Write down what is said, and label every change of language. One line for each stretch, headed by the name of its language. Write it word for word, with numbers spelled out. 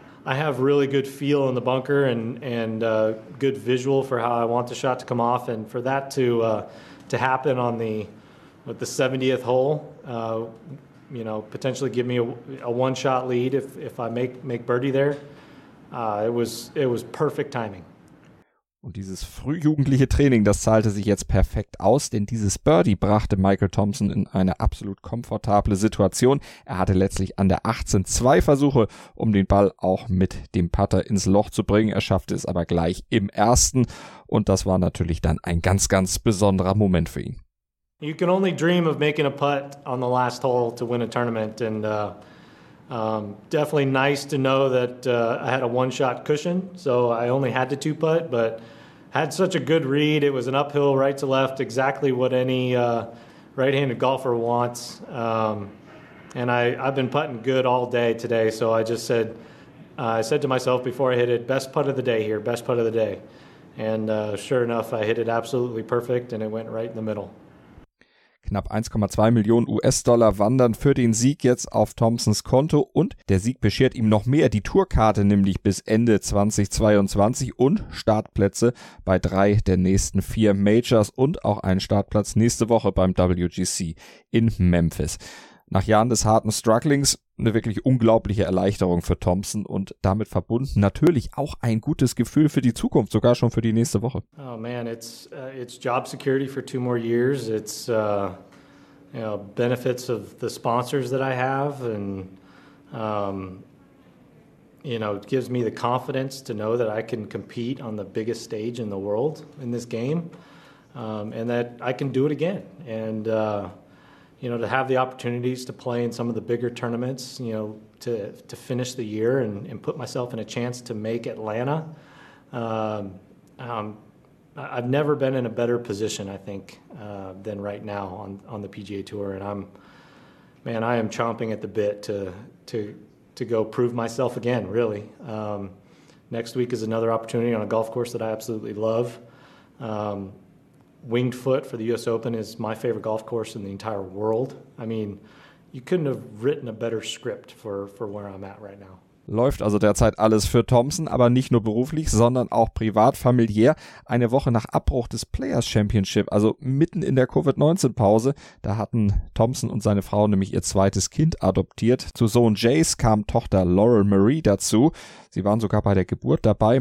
English: I have really good feel in the bunker and and uh, good visual for how I want the shot to come off, and for that to uh, to happen on the with the seventieth hole, uh, you know, potentially give me a, a one-shot lead if if I make make birdie there. Uh, it was it was perfect timing.
German: Und dieses frühjugendliche Training, das zahlte sich jetzt perfekt aus, denn dieses Birdie brachte Michael Thompson in eine absolut komfortable Situation. Er hatte letztlich an der achtzehn zwei Versuche, um den Ball auch mit dem Putter ins Loch zu bringen. Er schaffte es aber gleich im ersten und das war natürlich dann ein ganz, ganz besonderer Moment für ihn.
English: You can only dream of making a putt on the last hole to win a tournament and uh, um, definitely nice to know that uh, I had a one-shot cushion, so I only had to two-putt, but had such a good read. It was an uphill right to left, exactly what any uh, right-handed golfer wants. Um, and I, I've been putting good all day today, so I just said, uh, I said to myself before I hit it, best putt of the day here, best putt of the day. And uh, sure enough, I hit it absolutely perfect, and it went right in the middle.
German: Knapp eins Komma zwei Millionen U S-Dollar wandern für den Sieg jetzt auf Thompsons Konto und der Sieg beschert ihm noch mehr, die Tourkarte nämlich bis Ende zweitausendzweiundzwanzig und Startplätze bei drei der nächsten vier Majors und auch einen Startplatz nächste Woche beim W G C in Memphis. Nach Jahren des harten Strugglings eine wirklich unglaubliche Erleichterung für Thompson und damit verbunden natürlich auch ein gutes Gefühl für die Zukunft, sogar schon für die nächste Woche.
English: Oh man, it's uh, it's job security for two more years. It's uh, you know, benefits of the sponsors that I have, and um, you know, it gives me the confidence to know that I can compete on the biggest stage in the world in this game, um, and that I can do it again. And uh, you know, to have the opportunities to play in some of the bigger tournaments, you know, to to finish the year and, and put myself in a chance to make Atlanta. Um, um, I've never been in a better position, I think, uh, than right now on, on the P G A Tour. And I'm, man, I am chomping at the bit to to to go prove myself again, really. Um, next week is another opportunity on a golf course that I absolutely love. Um, Winged Foot for the U S Open is my favorite golf course in the entire world. I mean, you couldn't have written a better script for, for where I'm at right now.
German: Läuft also derzeit alles für Thompson, aber nicht nur beruflich, sondern auch privat, familiär. Eine Woche nach Abbruch des Players Championship, also mitten in der Covid neunzehn Pause, da hatten Thompson und seine Frau nämlich ihr zweites Kind adoptiert. Zu Sohn Jace kam Tochter Laurel Marie dazu. Sie waren sogar bei der Geburt dabei.